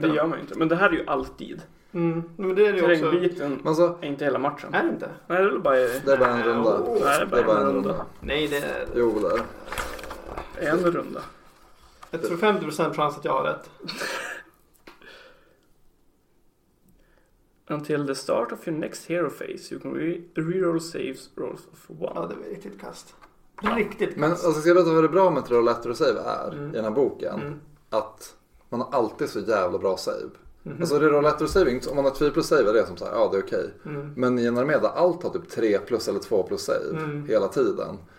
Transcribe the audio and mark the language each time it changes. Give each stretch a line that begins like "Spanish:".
Swedish: Men det gör man inte. Men det här är ju alltid. Mm. Men det är ju också. Terrängbiten alltså, är inte hela matchen. Är det inte? Nej, det är bara en runda. Det är bara en runda. Oh. Nej, det är bara en runda. Nej, det är... Jo, det är. En runda. Jag tror 50% chans att jag har rätt.
English: Until the start of your next hero phase you can reroll saves rolls of one.
Swedish: Ja, det är riktigt kast. Riktigt kast. Men alltså, ska jag veta vad det är bra med att rolla efter att save är i den här boken? Mm. Att man har alltid så jävla bra save. Mm-hmm. Alltså reroll lättare saving. Om man har 2 plus save är det som såhär, ja det är okej. Okay. Mm. Men i en armé där allt har typ 3 plus eller 2 plus save hela tiden.